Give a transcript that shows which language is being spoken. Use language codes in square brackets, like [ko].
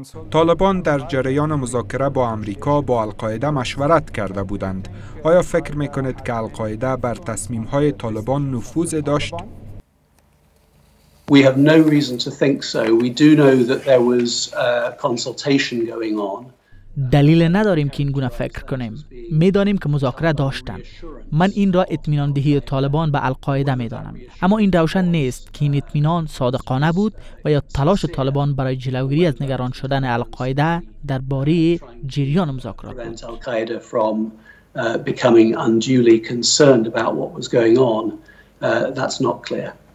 [fa] طالبان در جریان مذاکره با امریکا با القاعده مشورت کرده بودند. آیا فکر میکنید که القاعده بر تصمیم های طالبان نفوذ داشت؟ [en] We have no reason to think so. We do know that there was consultation going on. [fa] دلیل نداریم که این گونه فکر کنیم. می دانیم که مذاکره داشتند. من این را اطمینان دهی طالبان به القاعده می دانم. اما این روشن نیست که این اطمینان صادقانه بود و یا تلاش طالبان برای جلوگیری از نگران شدن القاعده درباره جریان مذاکرات بود. [en] Becoming unduly concerned about what was going on, that's not clear.